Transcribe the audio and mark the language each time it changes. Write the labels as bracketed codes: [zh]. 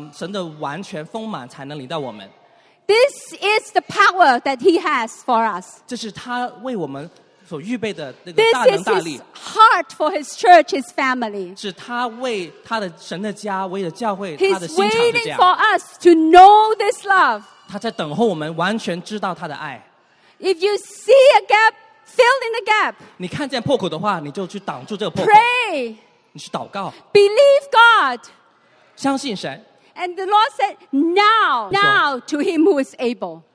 [zh] 只有那样神的完全丰满才能临到我们。 [en] This is the power that He has for us. [zh] 这是他为我们所预备的那个大能大力。 [en] This is His heart for His church, His family. He's waiting for us to know this love. [zh] 他在等候我们完全知道他的爱。 [en] If you see a gap, fill in the gap. [zh] 你看见破口的话, 你就去挡住这个破口。 [en] Pray. [zh] 你去祷告。 [en] Believe God. [zh] 相信神。 [en] And the Lord said, now to Him who is able.